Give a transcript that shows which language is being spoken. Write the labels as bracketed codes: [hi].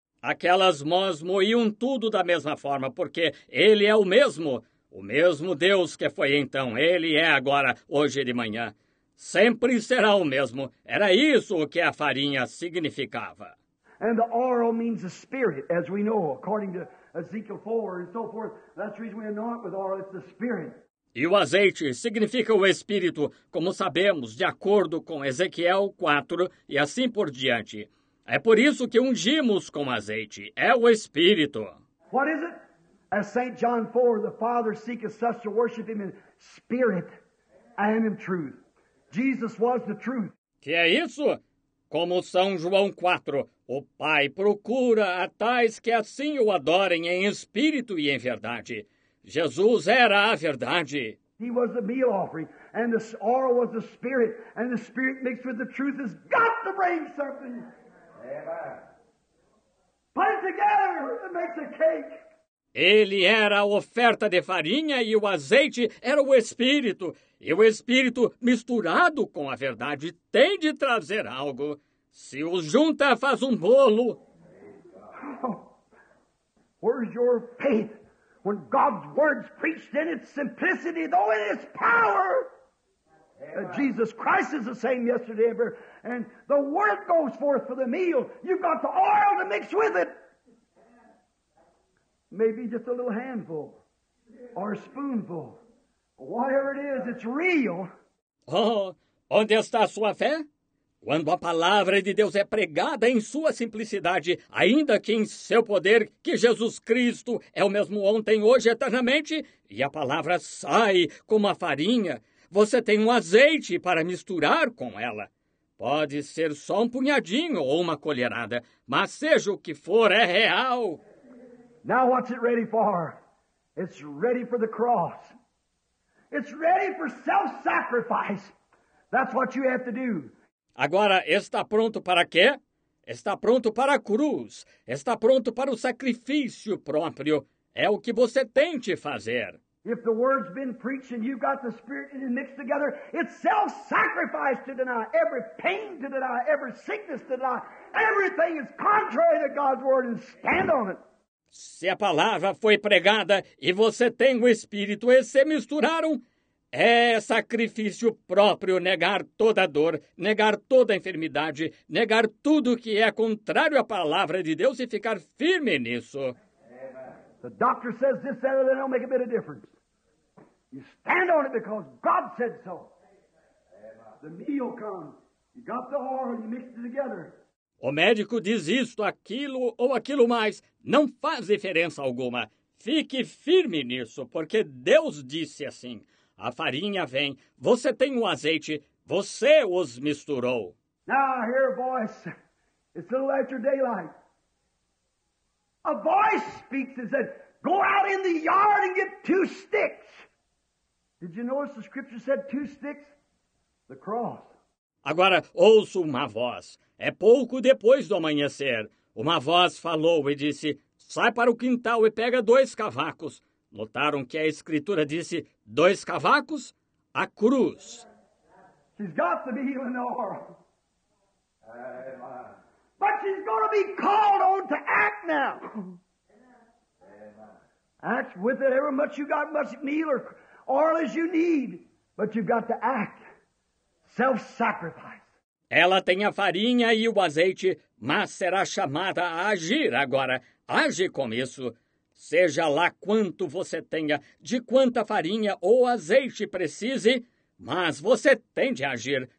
[pt] Aquelas mãos moíam tudo da mesma forma, porque ele é o mesmo Deus que foi então, ele é agora, hoje de manhã. Sempre será o mesmo. Era isso o que a farinha significava. [en] And the oil means the spirit, as we know, according to Ezekiel 4 and so forth. That's the reason we anoint with oil, it's the spirit. [pt] E o azeite significa o espírito, como sabemos, de acordo com Ezequiel 4 e assim por diante. É por isso que ungimos com azeite. É o espírito. [en] What is it? As St. John 4, the Father seeketh such to worship him in spirit and in truth. Jesus was the truth. [pt] Que é isso? Como São João 4, o Pai procura a tais que assim o adorem em espírito e em verdade. Jesus era a verdade. [en] He was the meal offering, and the oil was the spirit, and the spirit mixed with the truth has got to bring something. Amen. Put it together, it makes a cake. [pt] Ele era a oferta de farinha e o azeite era o espírito. E o espírito misturado com a verdade tem de trazer algo. Se os junta, faz um bolo. [en] Oh, where's your faith when God's words preached in its simplicity, though in its power? Jesus Christ is the same yesterday, ever, and the word goes forth for the meal. You've got the oil to mix with it. Maybe just a little handful or a spoonful. Whatever it is, it's real. [pt] Oh, onde está a sua fé? Quando a palavra de Deus é pregada em sua simplicidade, ainda que em seu poder, que Jesus Cristo é o mesmo ontem, hoje e eternamente, e a palavra sai como a farinha, você tem um azeite para misturar com ela. Pode ser só um punhadinho ou uma colherada, mas seja o que for, é real. [en] Now what's it ready for? It's ready for the cross. It's ready for self-sacrifice. That's what you have to do. [pt] Agora, está pronto para quê? Está pronto para a cruz. Está pronto para o sacrifício próprio. É o que você tem de fazer. [en] If the word's been preached and you've got the spirit in it mixed together, it's self-sacrifice to deny. Every pain to deny, every sickness to deny. Everything is contrary to God's word and stand on it. [pt] Se a palavra foi pregada e você tem o Espírito e se misturaram, é sacrifício próprio negar toda dor, negar toda enfermidade, negar tudo que é contrário à palavra de Deus e ficar firme nisso. [en] The doctor says this, that, and it'll make a bit of difference. You stand on it because God said so. The meal comes. You got the oil and you mix it together. [pt] O médico diz isto, aquilo ou aquilo mais. Não faz diferença alguma. Fique firme nisso, porque Deus disse assim. A farinha vem. Você tem o azeite. Você os misturou. [en] Now I hear a voice. It's a little after daylight. A voice speaks and said, go out in the yard and get two sticks. Did you notice the scripture said two sticks? The cross. [pt] Agora, ouço uma voz. É pouco depois do amanhecer. Uma voz falou e disse, sai para o quintal e pega dois cavacos. Notaram que a escritura disse, dois cavacos? A cruz. [en] She's got to be in the oil. But she's going to be called on to act now. Act with it, every much you got, much meal or oil as you need. But you've got to act. Self-sacrifice. [pt] Ela tem a farinha e o azeite, mas será chamada a agir agora. Age com isso. Seja lá quanto você tenha, de quanta farinha ou azeite precise, mas você tem de agir.